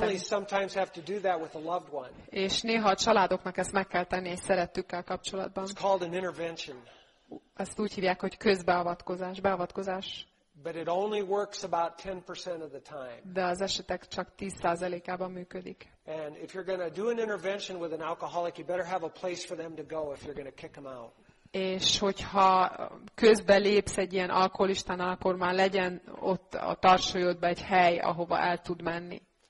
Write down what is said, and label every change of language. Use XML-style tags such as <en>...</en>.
<en>Families sometimes have to do that with a loved one.</en> <hu>És néha a családoknak ezt meg kell tenni egy szerettükkel kapcsolatban.</hu> <en>It's called an intervention.</en> <hu>Ezt úgy hívják, hogy közbeavatkozás, beavatkozás.</hu> <en>But it only works about 10% of the time.</en> <hu>De az esetek csak 10%-ában működik.</hu> <en>And if you're going to do an intervention with an alcoholic, you better have a place for them to go if you're going to kick them out.</en> <hu>És hogyha közbe lépsz egy ilyen alkoholistánál, akkor már legyen ott a tartsolyodban egy hely, ahova el tud menni.</hu>